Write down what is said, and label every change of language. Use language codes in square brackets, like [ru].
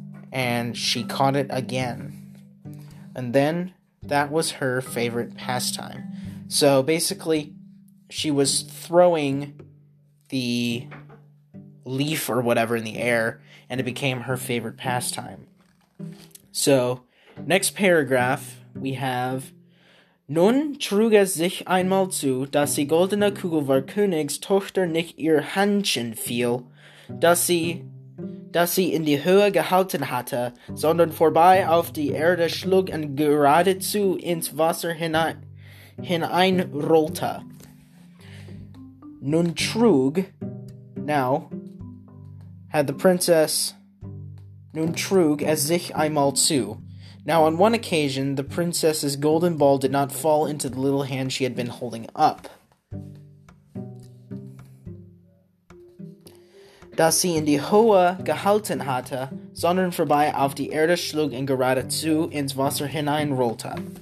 [en] And she caught it again. And then that was her favorite pastime. So basically, she was throwing the leaf or whatever in the air, and it became her favorite pastime. So, next paragraph, we have, [de] Nun trug es sich einmal zu, dass die goldene Kugel war Königs Tochter nicht ihr Händchen fiel, dass sie in die Höhe gehalten hatte, sondern vorbei auf die Erde schlug und geradezu ins Wasser hineinrollte. Nun trug, [en] now, had the princess, [de] nun trug es sich einmal zu. [en] Now, on one occasion, the princess's golden ball did not fall into the little hand she had been holding up. [de] Dass sie in die Höhe gehalten hatte, sondern vorbei auf die Erde schlug und geradezu ins Wasser hineinrollte.